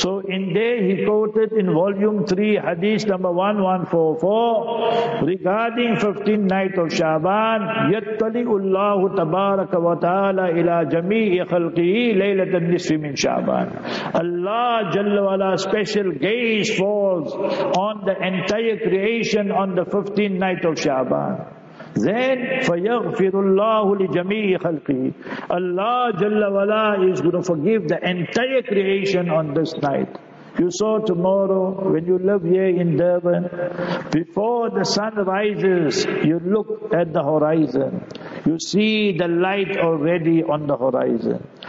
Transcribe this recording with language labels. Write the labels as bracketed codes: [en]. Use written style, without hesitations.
[en] So in there he quoted in volume 3, Hadith number 1144, regarding 15th night of Shaban, [ar] يَتَّلِئُ اللَّهُ تَبَارَكَ وَتَعَالَى إِلَى جَمِيعِ خَلْقِهِ لَيْلَةَ النِّصْفِ مِنْ شَعْبَانِ. [en] Allah Jalla Wala special gaze falls on the entire creation on the 15th night of Shaban. Then, [ar] فَيَغْفِرُ اللَّهُ لِجَمِيعِ خَلْقِهِ. [en] Allah Jalla Wala is going to forgive the entire creation on this night. You saw tomorrow, when you live here in Durban, before the sun rises, you look at the horizon. You see the light already on the horizon.